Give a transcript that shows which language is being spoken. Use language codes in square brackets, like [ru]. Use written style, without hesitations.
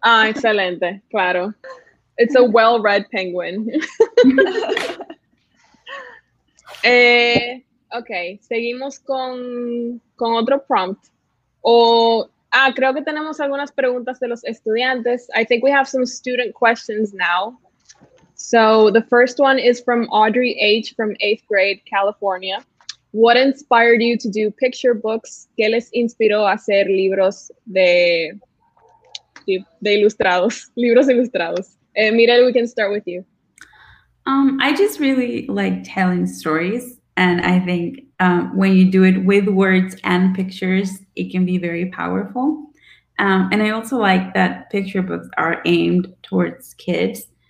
[es] Ah, excelente. Claro. [en] It's a well-read penguin. [es] Okay, seguimos con otro prompt. Creo que tenemos algunas preguntas de los estudiantes. [en] I think we have some student questions now. So the first one is from Audrey H. from 8th grade, California. What inspired you to do picture books? [es] ¿Qué les inspiró a hacer libros de ilustrados? Libros ilustrados. [en] Mirel, we can start with you. I just really like telling stories. And I think when you do it with words and pictures, it can be very powerful. And I also like that picture books are aimed towards kids.